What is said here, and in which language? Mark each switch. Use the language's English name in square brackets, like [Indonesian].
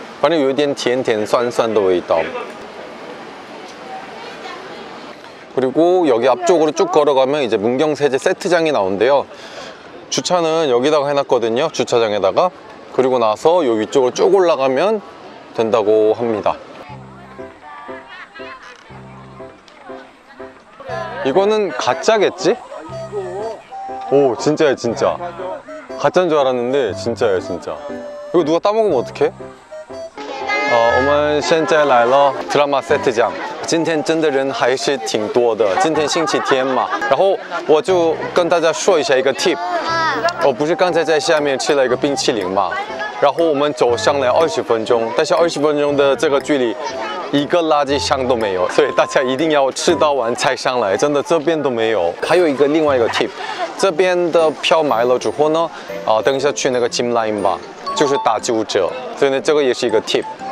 [Chinese] 반에 有点甜甜酸酸的味道. [Korean] 그리고 여기 앞쪽으로 쭉 걸어가면 이제 문경 세제 세트장이 나오는데요. 주차는 여기다가 해놨거든요. 주차장에다가. 그리고 나서 요 위쪽으로 쭉 올라가면 된다고 합니다. 이거는 가짜겠지? 오 진짜야 진짜 가짜인 줄 알았는데 진짜야 진짜 이거 누가 따먹으면 어떡해? [Chinese] 我们现在来了 [Korean] 드라마 세트장 [Chinese] 今天真的人还是挺多的今天星期天嘛然后我就跟大家说一下一个 팁 我不是刚才在下面吃了一个冰淇淋嘛然后我们走上来20分钟但是20分钟的这个距离一个垃圾箱都没有所以大家一定要吃到完才上来真的这边都没有还有一个另外一个 팁 这边的票买了之后呢等一下去那个 Gym Line 吧 就是打9折所以呢这个也是一个 팁